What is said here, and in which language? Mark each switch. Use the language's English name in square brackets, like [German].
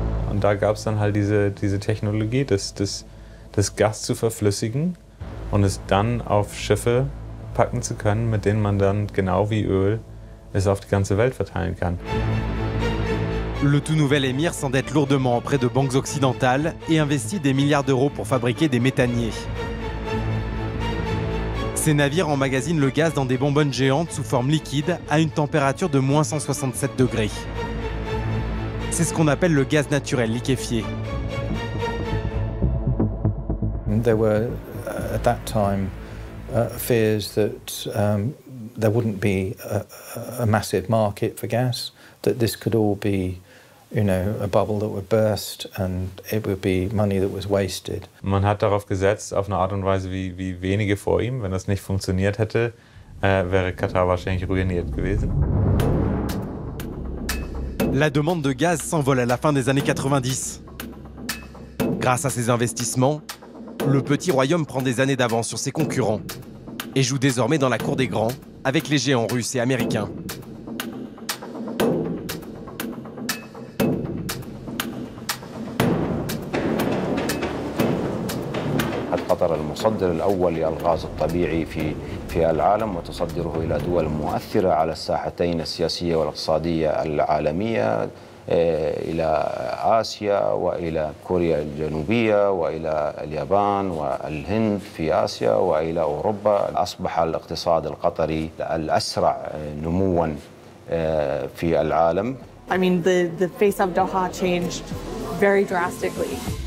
[German] Und da gab es dann halt diese Technologie, das Gas zu verflüssigen und es dann auf Schiffe packen zu können, mit denen man dann genau wie Öl es auf die ganze Welt verteilen kann. [French] Le tout nouvel émir s'endette lourdement auprès de banques occidentales et investit des milliards d'euros pour fabriquer des méthaniers. Ces navires emmagasinent le gaz dans des bonbonnes géantes sous forme liquide à une température de moins 167 degrés. C'est ce qu'on appelle le gaz naturel liquéfié. [English] There were at that time fears that there wouldn't be a massive market for gas, that this could all be, you know, a bubble that would burst and it would be money that was wasted. [German] Man hat darauf gesetzt, auf eine Art und Weise wie wenige vor ihm. Wenn das nicht funktioniert hätte, wäre Katar wahrscheinlich ruiniert gewesen. [French] La demande de gaz s'envole à la fin des années 90. Grâce à ses investissements, le petit royaume prend des années d'avance sur ses concurrents et joue désormais dans la cour des grands avec les géants russes et américains. [Arabic] المصدر الأول للغاز الطبيعي في العالم وتصدره إلى دول مؤثرة على الساحتين السياسية والاقتصادية العالمية إلى آسيا وإلى كوريا الجنوبية وإلى اليابان والهند في آسيا وإلى أوروبا أصبح الاقتصاد القطري الأسرع نموا في العالم. [English] I mean the face of Doha changed very drastically.